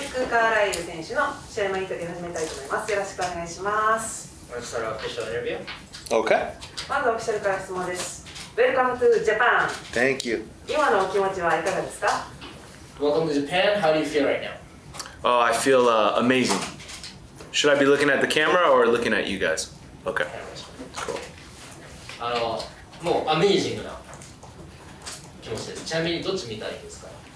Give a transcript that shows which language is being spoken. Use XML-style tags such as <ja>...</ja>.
<ja>カーライル選手の試合前インタビューを始めたいと思います。よろしくお願いします。</ja> <en>Let's start our official interview. Okay.</en> <ja>まずオフィシャルから質問です。</ja> <en>Welcome to Japan. Thank you.</en> <ja>今のお気持ちはいかがですか？</ja> <en>Welcome to Japan. How do you feel right now? Oh, I feel amazing. Should I be looking at the camera or looking at you guys? Okay. Cool.</en> <ja>もうアメージングな気持ちです。ちなみにどっち見たいですか？</ja>